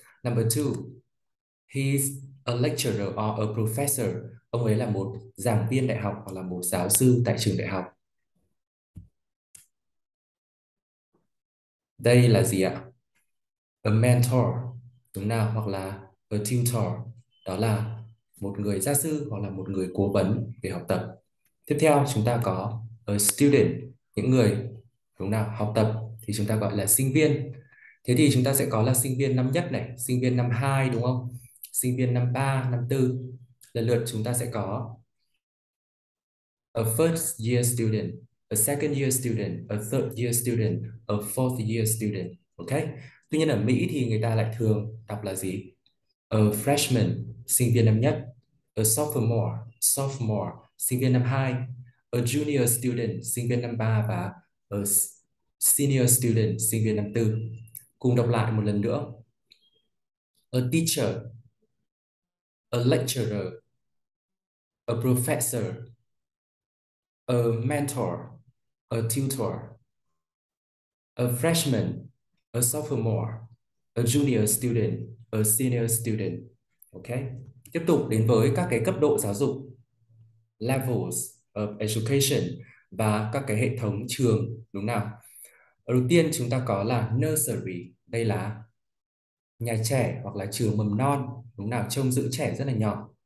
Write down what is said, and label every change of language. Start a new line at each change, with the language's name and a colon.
English: Number two, he's a lecturer or a professor.
Vietnamese: Ông ấy là một giảng viên đại học hoặc là một giáo sư tại trường đại học. Đây là gì ạ?
English: A mentor,
Vietnamese: đúng nào? Hoặc là
English: a tutor,
Vietnamese: đó là một người gia sư hoặc là một người cố vấn về học tập. Tiếp theo chúng ta có
English: a student,
Vietnamese: những người đúng nào học tập thì chúng ta gọi là sinh viên. Thế thì chúng ta sẽ có là sinh viên năm nhất này, sinh viên năm hai đúng không? Sinh viên năm ba, năm tư. Lần lượt chúng ta sẽ có
English: a first year student, a second year student, a third year student, a fourth year student. Ok?
Vietnamese: Tuy nhiên ở Mỹ thì người ta lại thường đọc là gì?
English: A freshman,
Vietnamese: sinh viên năm nhất.
English: A sophomore, sophomore,
Vietnamese: sinh viên năm hai.
English: A junior student,
Vietnamese: sinh viên năm ba. Và
English: a senior student,
Vietnamese: sinh viên năm tư. Cùng đọc lại một lần nữa.
English: A teacher, a lecturer, a professor, a mentor, a tutor, a freshman, a sophomore, a junior student, a senior student. Ok.
Vietnamese: Tiếp tục đến với các cái cấp độ giáo dục.
English: Levels of education
Vietnamese: và các cái hệ thống trường, đúng nào? Đầu tiên chúng ta có là nursery. Đây là nhà trẻ hoặc là trường mầm non, đúng nào, trông giữ trẻ rất là nhỏ.